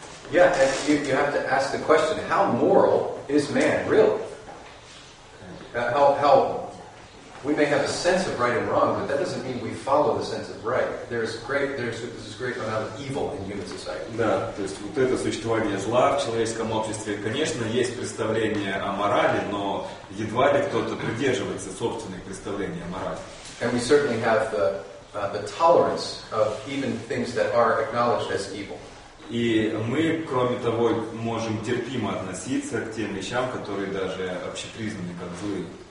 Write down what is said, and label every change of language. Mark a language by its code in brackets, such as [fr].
[en] Yeah, and you have to ask the question, how moral is man, really? How we may have a sense of right and wrong, but that doesn't mean we follow the sense of right. There's this great amount of evil in human society. [ru] Да, то есть вот это существование зла в человеческом обществе, конечно, есть представление о морали, но едва ли кто-то придерживается собственных представлений о морали. [en] And we certainly have the tolerance of even things that are acknowledged as evil. [ru] И мы, кроме того, можем терпимо относиться к тем вещам, которые даже общепризнаны как злые.